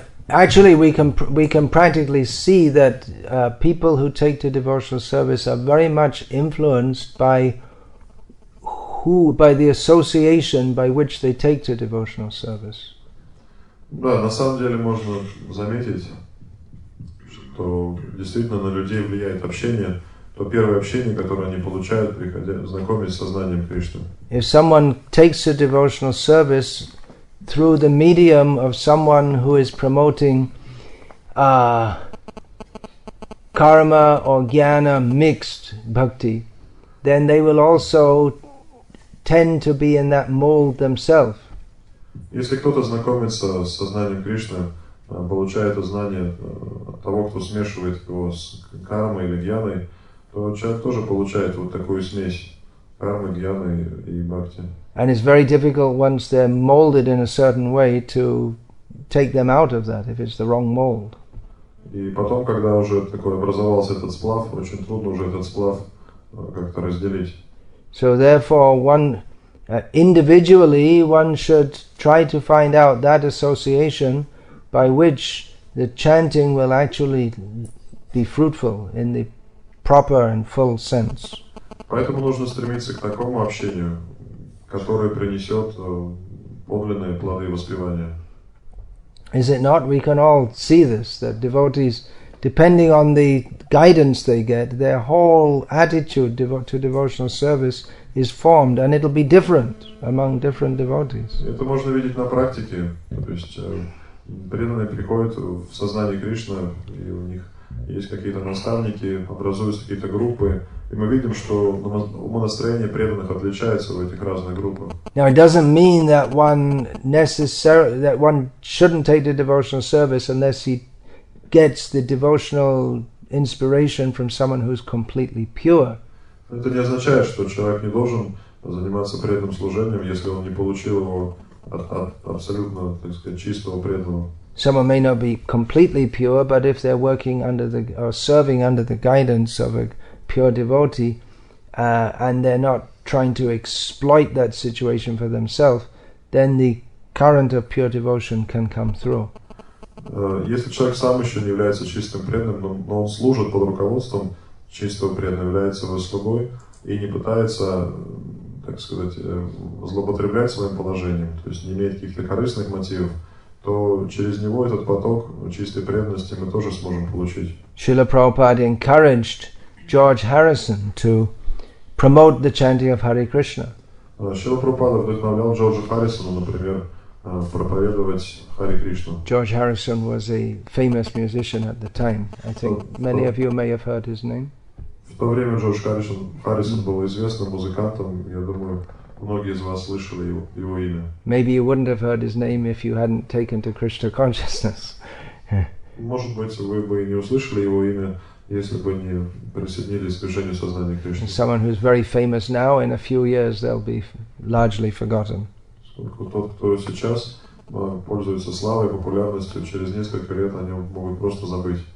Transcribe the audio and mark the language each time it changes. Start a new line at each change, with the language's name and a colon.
English: Actually, we can practically see that people who take to devotional service are very much influenced by the association by which they take to devotional service.
Russian: Да, на самом деле можно заметить, что действительно на людей влияет общение, то первое общение, которое они получают, приходя, знакомясь с сознанием Кришны.
English: If someone takes to devotional service through the medium of someone who is promoting karma or jnana mixed bhakti, then they will also tend to be in that mold themselves.
Russian: Если кто-то знакомится с сознанием Кришны, получает это знание от того, кто смешивает его с кармой или гьяной, то человек тоже получает вот такую смесь кармы, гьяны и бхакти.
English: And it's very difficult once they're molded in a certain way to take them out of that if it's the wrong mold.
Russian: И потом, когда уже такой образовался этот сплав, очень трудно уже этот сплав как-то разделить.
English: So therefore, one individually, one should try to find out that association by which the chanting will actually be fruitful in the proper and full sense.
Russian: Поэтому нужно стремиться к такому общению, которое принесет подлинные плоды воспевания.
English: Is it not? We can all see this, that devotees, depending on the guidance they get, their whole attitude to devotional service is formed, and it'll be different among different devotees.
Russian: Это можно видеть на практике, то есть преданные приходят в сознание Кришны, и у них есть какие-то наставники, образуются какие-то группы, и мы видим, что умонастроение преданных отличается в этих разных группах.
English: Now it doesn't mean that one necessary that one shouldn't take the devotional service unless he gets the devotional inspiration from someone who's completely pure.
Russian: Это не означает, что человек не должен заниматься преданным служением, если он не получил его от абсолютно, так сказать, чистого преданного.
English: Someone may not be completely pure, but if they're working under the or serving under the guidance of a pure devotee, and they're not trying to exploit that situation for themselves, then the current of pure devotion can come through.
Russian: Если человек сам еще не является чистым преданным, но он служит под руководством чистого преданного, является его слугой и не пытается, так сказать, злоупотреблять своим положением, то есть не имеет каких-то корыстных мотивов, то через него этот поток чистой преданности мы тоже сможем получить.
English: Шрила Прабхупада encouraged George Harrison to promote the chanting of Hare Krishna.
Russian: Шрила Прабхупада вдохновлял Джорджа Харрисона, например, проповедовать Харе Кришну.
English: George Harrison was a famous musician at the time. I think many of you may have heard his name.
Russian: В то время Джордж Харрисон был известным музыкантом. Я думаю, многие из вас слышали его имя.
English: Maybe you wouldn't have heard his name if you hadn't taken to Krishna consciousness.
Russian: Может быть, вы бы и не услышали его имя, если бы не присоединились к движению сознания Кришны.
English: Someone who's very famous now, in a few years they'll be largely forgotten.
Russian: Тот, кто сейчас пользуется славой и популярностью, через несколько лет о нем могут просто забыть.